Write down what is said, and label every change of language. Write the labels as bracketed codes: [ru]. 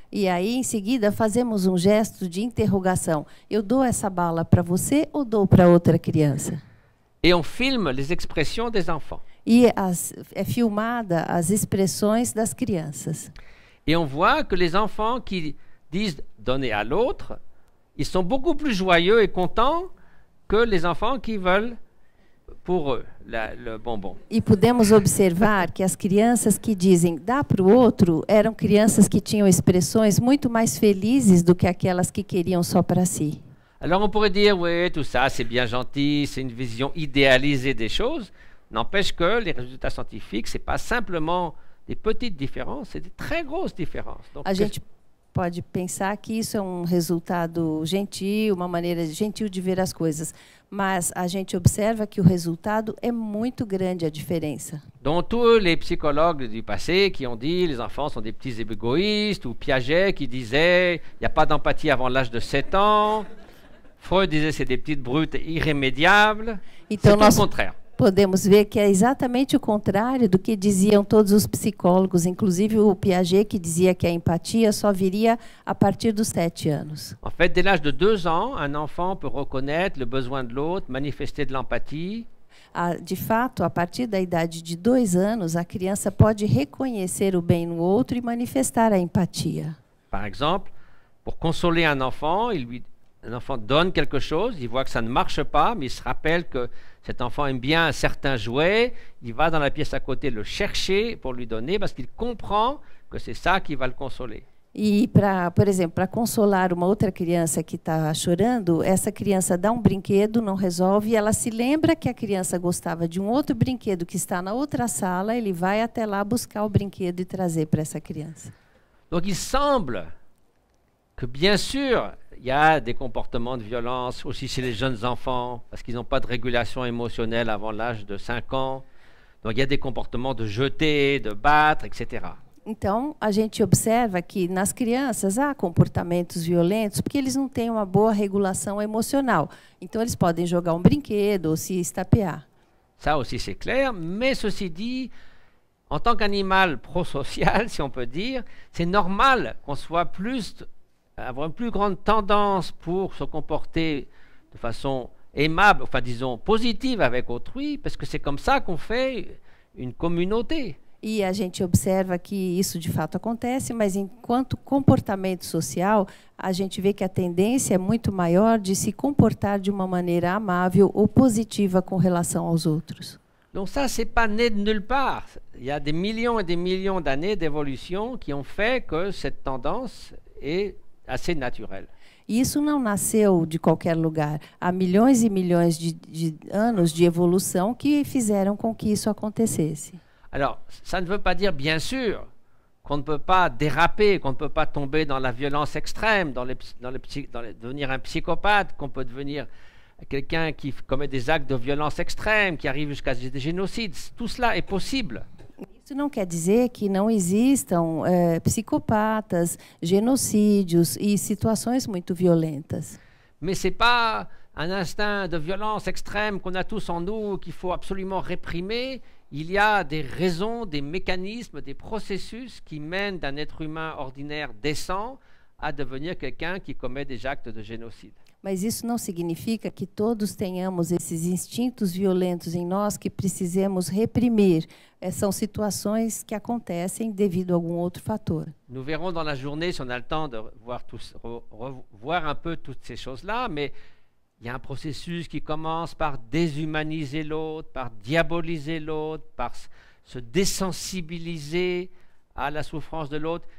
[pt] E aí, em seguida, fazemos gesto de interrogação. Eu dou essa bala para você ou dou para outra criança? [fr] Et on filme les expressions des enfants. [pt] E é filmada as expressões das crianças. [fr] Et on voit que les enfants qui disent donner à l'autre, ils sont beaucoup plus joyeux et contents que les enfants qui veulent pour eux le bonbon. [pt] E podemos observar que as crianças que dizem dá para o outro eram crianças que tinham expressões muito mais felizes do que aquelas que queriam só para si. [fr] Alors on pourrait dire oui, tout ça c'est bien gentil, c'est une vision idéalisée des choses. N'empêche que les résultats scientifiques, c'est pas simplement des petites différences, c'est des très grosses différences. Donc, [pt] a gente pode pensar que isso é resultado gentil, uma maneira gentil de ver as coisas, mas a gente observa que o resultado é muito grande a diferença. [fr] Donc tous les psychologues du passé qui ont dit les enfants sont des petits égoïstes ou Piaget qui disait il y a pas d'empathie avant l'âge de 7 ans. Freud disait c'est des petites brutes irrémédiables. [pt] Então [fr] c'est au contraire. [pt] Podemos ver que é exatamente o contrário do que diziam todos os psicólogos, inclusive o Piaget, que dizia que a empatia só viria a partir dos 7 anos. [fr] En fait, dès l'âge de 2 ans, un enfant peut reconnaître le besoin de l'autre, manifester de l'empathie. [pt] De fato, a partir da idade de 2 anos, a criança pode reconhecer o bem no outro e manifestar a empatia. [fr] Par exemple, pour consoler un enfant, un enfant donne quelque chose, il voit que ça ne marche pas, mais il se rappelle que cet enfant aime bien un certain jouet, il va dans la pièce à côté le chercher pour lui donner, parce qu'il comprend que c'est ça qui va le consoler. [pt] E, por exemplo, para consolar uma outra criança que está chorando, essa criança dá um brinquedo, não resolve, e ela se lembra que a criança gostava de um outro brinquedo que está na outra sala, ele vai até lá buscar o brinquedo e trazer para essa criança. [fr] Donc il semble que bien sûr, il y a des comportements de violence aussi chez les jeunes enfants parce qu'ils n'ont pas de régulation émotionnelle avant l'âge de 5 ans. Donc il y a des comportements de jeter, de battre, etc. [pt] Então, a gente observa que nas crianças há comportamentos violentos porque eles não têm uma boa regulação emocional. Então eles podem jogar um brinquedo ou se estapear. [fr] Ça aussi c'est clair, mais ceci dit, en tant qu'animal prosocial, si on peut dire, c'est normal qu'on soit plus, avoir une plus grande tendance pour se comporter de façon aimable, enfin disons positive avec autrui, parce que c'est comme ça qu'on fait une communauté. [pt] E a gente observa que isso de fato acontece, mas enquanto comportamento social, a gente vê que a tendência é muito maior de se comportar de uma maneira amável ou positiva com relação aos outros. [fr] Donc ça, c'est pas né de nulle part. Il y a des millions et des millions d'années d'évolution qui ont fait que cette tendance est assez naturelle. [pt] Isso não nasceu de qualquer lugar. Há milhões e milhões de anos de evolução que fizeram com que isso acontecesse. [fr] Alors, ça ne veut pas dire, bien sûr, qu'on ne peut pas déraper, qu'on ne peut pas tomber dans la violence extrême, devenir un psychopathe, qu'on peut devenir quelqu'un qui commet des actes de violence extrême, qui arrive jusqu'à des génocides, tout cela est possible. [pt] Isso não quer dizer que não existam psicopatas, genocídios e situações muito violentas. [fr] Mais c'est pas un instinct de violence extrême qu'on a tous en nous qu'il faut absolument réprimer, il y a des raisons, des mécanismes, des processus qui mènent d'un être humain ordinaire décent à devenir quelqu'un qui commet des actes de génocide. [pt] Mas isso não significa que todos tenhamos esses instintos violentos em nós que precisemos reprimir. São situações que acontecem devido a algum outro fator. [fr] Nous verrons dans la journée si on a le temps de revoir un peu toutes ces choses-là, mais il y a un processus qui commence par déshumaniser l'autre, par diaboliser l'autre, par se désensibiliser à la souffrance de l'autre.